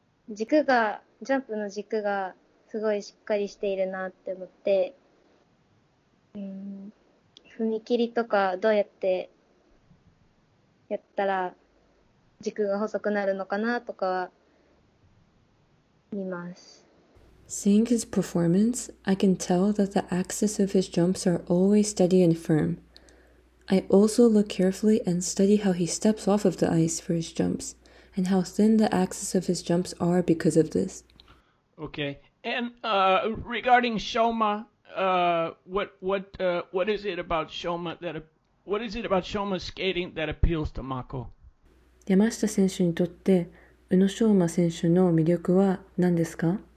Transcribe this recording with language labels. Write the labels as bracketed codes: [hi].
[ja] ジャンプの軸がすごいしっかりしているなって思って、踏み切りとかどうやってやったら軸が細くなるのかなとかは見ます。 [en] Seeing his performance, I can tell that the axis of his jumps are always steady and firm. I also look carefully and study how he steps off of the ice for his jumps, and how thin the axis of his jumps are because of this. Okay, and regarding Shoma, what is it about Shoma's skating that appeals to Mako? [ja] 山下選手にとって宇野昌磨選手の魅力は何ですか？